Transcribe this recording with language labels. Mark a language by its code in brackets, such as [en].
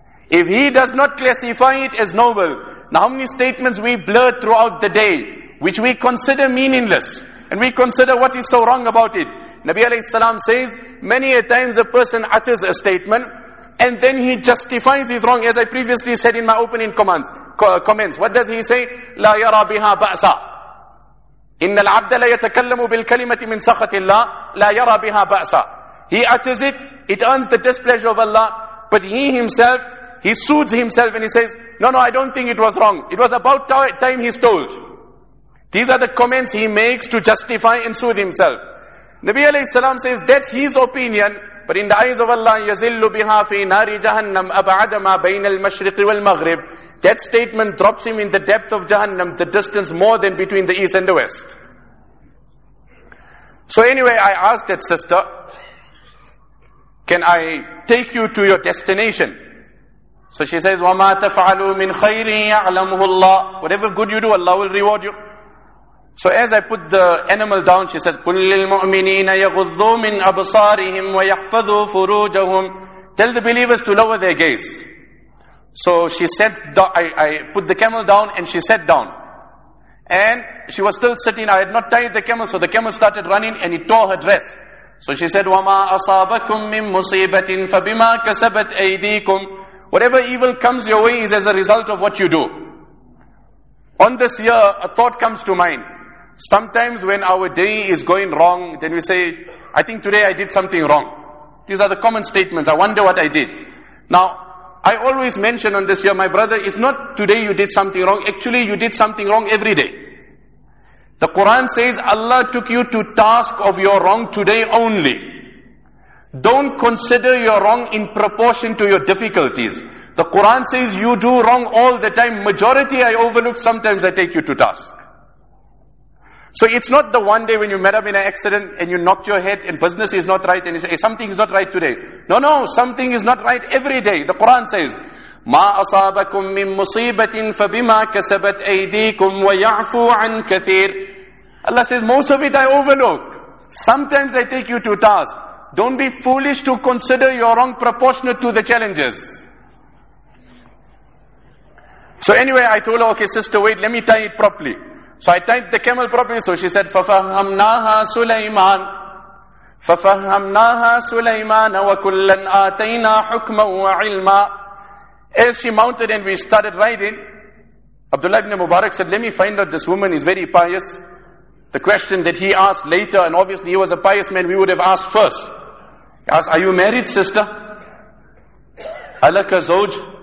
[en] If he does not classify it as noble, now how many statements we blur throughout the day, which we consider meaningless, and we consider what is so wrong about it. Nabi alayhi salam says, many a times a person utters a statement, and then he justifies his wrong, as I previously said in my opening comments. What does he say? [ar] لا يرى بها بأسا. إن العبد لا يتكلم بالكلمة من سخط الله لا يرى بها بأسا. [en] He utters it, it earns the displeasure of Allah, but he himself, he soothes himself and he says, no, I don't think it was wrong. It was about time he stole. These are the comments he makes to justify and soothe himself. Nabi alayhi salam says, that's his opinion, but in the eyes of Allah, [ar] يَزِلُّ بِهَا فِي نَارِ جَهَنَّمْ أَبْعَدَ مَا بَيْنَ الْمَشْرِقِ وَالْمَغْرِبِ. [en] That statement drops him in the depth of Jahannam, the distance more than between the east and the west. So anyway, I asked that sister, can I take you to your destination? So she says, [ar] وَمَا تَفْعَلُوا مِنْ خَيْرٍ يَعْلَمُهُ اللَّهِ. [en] Whatever good you do, Allah will reward you. So as I put the animal down, she says, [ar] قُلْ لِلْمُؤْمِنِينَ يَغُضُّوا مِنْ أَبْصَارِهِمْ وَيَحْفَظُوا فُرُوجَهُمْ. [en] Tell the believers to lower their gaze. So she sat, I put the camel down and she sat down. And she was still sitting, I had not tied the camel, so the camel started running and it tore her dress. So she said, [ar] وَمَا أَصَابَكُمْ مِنْ مُصِيبَةٍ فَبِمَا كَسَبَتْ أَيْدِيكُمْ. [en] Whatever evil comes your way is as a result of what you do. On this year, a thought comes to mind. Sometimes when our day is going wrong, then we say, I think today I did something wrong. These are the common statements. I wonder what I did. Now, I always mention on this year, my brother, it's not today you did something wrong. Actually, you did something wrong every day. The Quran says, Allah took you to task of your wrong today only. Don't consider your wrong in proportion to your difficulties. The Quran says you do wrong all the time. Majority I overlook, sometimes I take you to task. So it's not the one day when you met up in an accident and you knocked your head and business is not right and you say, hey, something is not right today. No, something is not right every day. The Quran says, [ar] مَا أَصَابَكُم مِّن مُصِيبَةٍ فَبِمَا كَسَبَتْ أَيْدِيكُمْ وَيَعْفُوا عَنْ كَثِيرٍ. [en] Allah says, most of it I overlook. Sometimes I take you to task. Don't be foolish to consider your wrong proportionate to the challenges. So anyway, I told her, okay, sister, wait, let me tie it properly. So I tied the camel properly. So she said, [ar] فَفَهَّمْنَاهَا سُلَيْمَانَ فَفَهَّمْنَاهَا سُلَيْمَانَ وَكُلًّا آتَيْنَا حُكْمًا وَعِلْمًا. [en] As she mounted and we started riding, Abdullah ibn Mubarak said, let me find out, this woman is very pious. The question that he asked later, and obviously he was a pious man, we would have asked first. He asked, are you married, sister? [ar] Alaka zawj?